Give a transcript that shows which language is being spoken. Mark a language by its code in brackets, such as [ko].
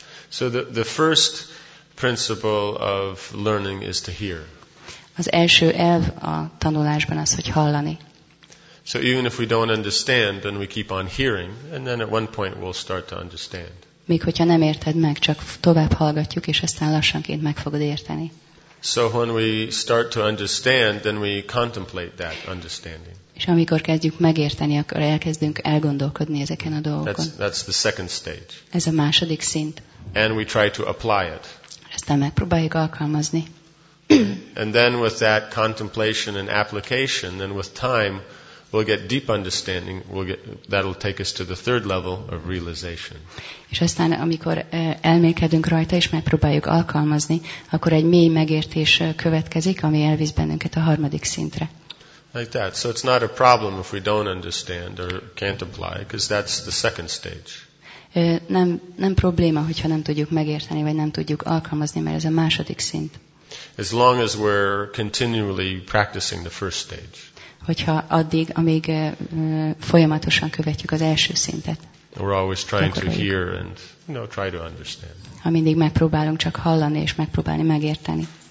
[en] So the first principle of learning is to hear. [hu] Az első elv a tanulásban az, hogy hallani. [en] So even if we don't understand, then we keep on hearing, and then at one point we'll start to understand. [hu] Még hogyha nem érted meg, csak tovább hallgatjuk, és aztán lassanként meg fogod érteni. [en] So when we start to understand, then we contemplate that understanding. [hu] És amikor kezdjük megérteni, akkor elkezdünk elgondolkodni ezeken a dolgokon. [en] That's the second stage. [hu] Ez a második szint. [en] And we try to apply it. [hu] Aztán megpróbáljuk alkalmazni. [en] And then with that contemplation and application, then with time, we'll get deep understanding. That'll take us to the third level of realization. [hu] És aztán, amikor elmélkedünk rajta és megpróbáljuk alkalmazni, akkor egy mély megértés következik, ami elvisz bennünket a harmadik szintre. [en] Like that. So it's not a problem if we don't understand or can't apply, because that's the second stage. [hu] Nem probléma, hogyha nem tudjuk megérteni vagy nem tudjuk alkalmazni, mert ez a második szint. [en] As long as we're continually practicing the first stage. [hu] Hogyha addig, amíg folyamatosan követjük az első szintet. [en] We're always trying to hear and, you know, try to understand. [hu] Ha mindig megpróbálunk csak hallani és megpróbálni megérteni.